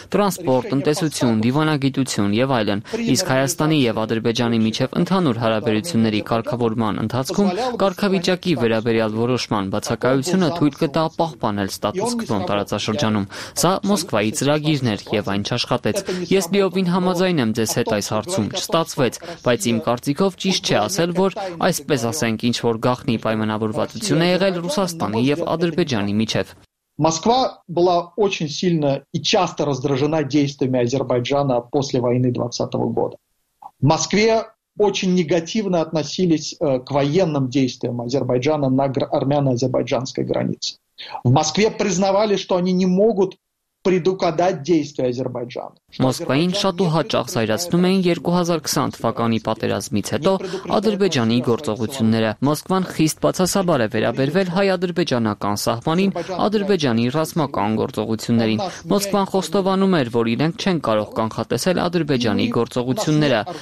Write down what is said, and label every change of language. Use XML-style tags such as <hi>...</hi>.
<hy>տրանսպորտ, տնտեսություն, դիվանագիտություն եւ այլն։ Իսկ Հայաստանի եւ Ադրբեջանի միջև ընդհանուր հարաբերությունների կարգավորման ընթացքում կարգավիճակի վերաբերյալ որոշման բացակայությունը թույլ կտա պահպանել ստատուս-կվոն տարածաշրջանում։ Սա Մոսկվայի ծրագիրն էր եւ այն չաշխատեց։ Ես լիովին համաձայն եմ ձեզ հետ այս հարցում, չստացվեց, բայց իմ կարծիքով ճիշտ չէ ասել, որ այսպես ասենք, ինչ որ գախնի պայմանավորվածություն է եղել Ռուսաստանի եւ Ադրբեջանի միջեւ։</hy> <ru>Москва была очень сильно и часто раздражена действиями Азербайджана после войны 20-го года. Москва очень негативно относились к военным действиям Азербайджана на армяно-азербайджанской границе. В Москве признавали, что они не могут предугадать действия Азербайджана.</ru> <hy>Մոսկվային շատ ու հաճախ զայրացնում էին 2020 թվականի պատերազմից հետո Ադրբեջանի գործողությունները։ Մոսկվան խիստ բացասաբար է վերաբերվել հայ-ադրբեջանական սահմանին, Ադրբեջանի ռազմական գործողություններին։ Մոսկվան խոստովանում էր, որ իրենք չեն կարող կանխատեսել Ադրբեջանի գործողությունները,</hy>